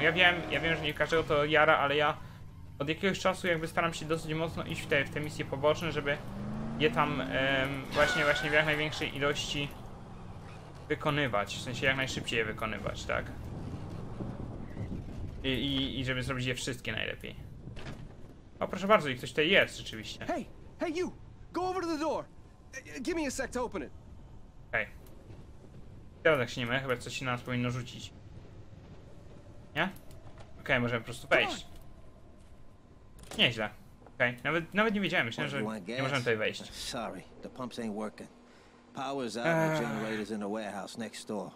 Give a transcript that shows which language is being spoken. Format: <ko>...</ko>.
<pl>Ja wiem, że nie każdego to jara, ale ja od jakiegoś czasu jakby staram się dosyć mocno iść w te misje poboczne, żeby je tam właśnie w jak największej ilości wykonywać, w sensie jak najszybciej je wykonywać, tak? I żeby zrobić je wszystkie najlepiej. O, proszę bardzo, i ktoś tutaj jest, rzeczywiście.</pl> <en>Hey, you! Go over to the door! Give me a sec to open it!</en> <pl>Hej, Teraz jak się nie ma, chyba coś się na nas powinno rzucić. Nie? Okej, możemy po prostu wejść. Nieźle. Okej, nawet nie wiedziałem, myślę, że nie możemy tutaj wejść.</pl> <en>Sorry, the pumps ain't working. Power's out, the generator's in the warehouse next door.</en>